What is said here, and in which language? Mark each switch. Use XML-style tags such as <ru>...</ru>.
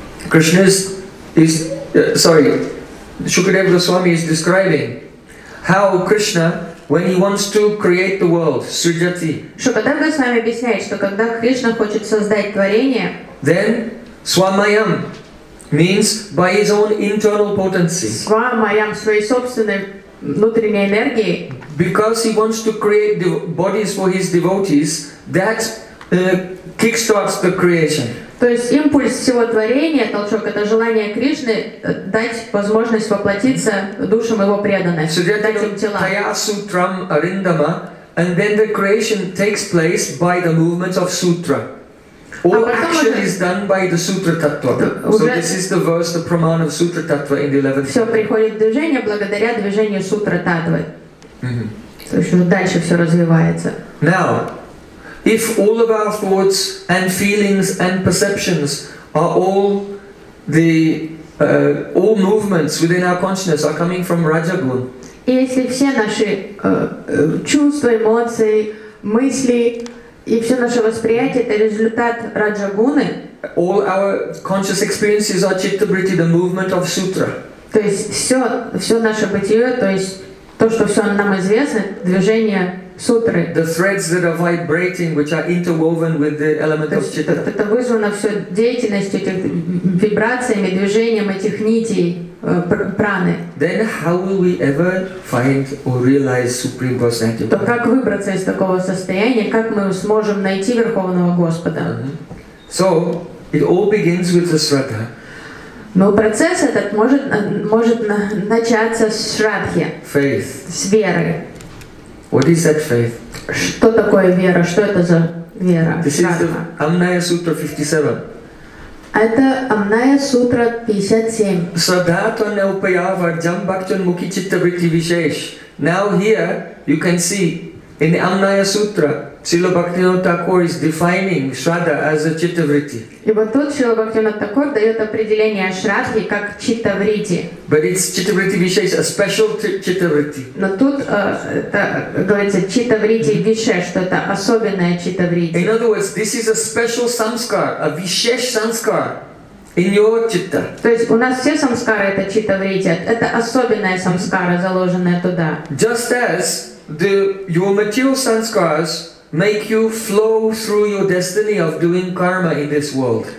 <en>Krishna Shukadeva Goswami is describing how Krishna, when he wants to create the world, Sujati.</en> <ru>Шукадев Госвами объясняет, что когда Кришна хочет создать творение,</ru> <en>then Swamayam means by his own internal potency.</en> <ru>Swamayam, своей собственной внутренней энергией.</ru> <en>Because he wants to create the bodies for his devotees, that kickstarts the creation.</en> <ru>То есть импульс всего творения, толчок, это желание Кришны дать возможность воплотиться душам его преданных,</ru> <en>so</en> <ru>дать им тела.</ru> <sa>Таясутрам ариндама,</sa> <en>and then the creation takes place by the movement of sutra. All action is done by the sutra tattva. So this is the verse, the pramana of sutra tattva in the 11th.</en> <ru>Все приходит в движение благодаря движению сутра таттвы. То есть дальше все развивается.</ru> <en>Now, if all of our thoughts and feelings and perceptions are all the all movements within our consciousness are coming from Rajagun.</en> <ru>Если все наши чувства, эмоции, мысли и все наше восприятие это результат Раджагуны.</ru> <en>All our conscious experiences are chittavritti, the movement of sutra.</en> <ru>То есть все наше бытие, то есть То, что все нам известно, движение сутры.</ru> <en>The threads that are vibrating, which are interwoven with the element of chitta.</en> <ru>Это вызвано все деятельностью этих вибрациями, движением этих нитей праны.</ru> <en>Then how will we ever find or realize Supreme Personality?</en> <ru>То как выбраться из такого состояния, как мы сможем найти Верховного Господа?</ru> <en>So it all begins with the shraddha.</en> <ru>Но процесс этот может начаться с шрадхи,</ru> <en>faith.</en> <ru>С веры.</ru> <en>What is that faith?</en> <ru>Что такое вера? Что это за вера?</ru> <en>This is the Amnaya Sutra 57.</en> <ru>Это Амная Сутра 57.</ru> <sa>Shraddha na upaya varjam bhaktan mukhi chitta vritti vishesh.</sa> <en>Now here you can see in the Amnaya Sutra, Srila Bhaktivinoda Thakur is defining Shraddha as a chitta vritti.</en> <ru>И вот тут Srila Bhaktivinoda Thakur дает определение Shraddhi как chitta vritti.</ru> <en>But it's chitta vritti vishesh, a special chitta vritti.</en> <ru>Но тут говорится chitta vritti vishesh, что это особенная chitta vritti.</ru> <en>In other words, this is a special samskar, a vishesh samskar. In your chitta.</en> <ru>То есть у нас все самскары это chitta vritti, это особенная самскара, заложенная туда.</ru> <en>Just as the your material samskars make you flow through your destiny of doing karma in this world.</en>